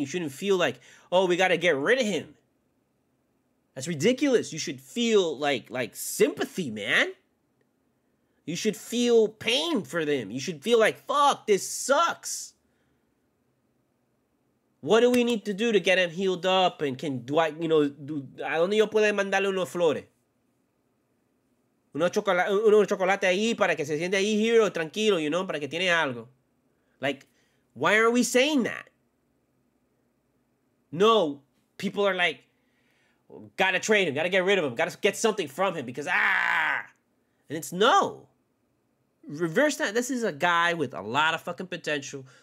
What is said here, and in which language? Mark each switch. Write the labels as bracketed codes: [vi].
[en] You shouldn't feel like, oh, we got to get rid of him. That's ridiculous. You should feel like sympathy, man. You should feel pain for them. You should feel like, fuck, this sucks. What do we need to do to get him healed up? And can Dwight, you know, [es] ¿a dónde yo puedo mandarle unos flores? Unos chocolate ahí para que se siente ahí, Hero, tranquilo, [en] you know, [es] para que tiene algo. [en] Like, why are we saying that? No, people are like, gotta trade him, gotta get rid of him, gotta get something from him because. And it's no. Reverse that. This is a guy with a lot of fucking potential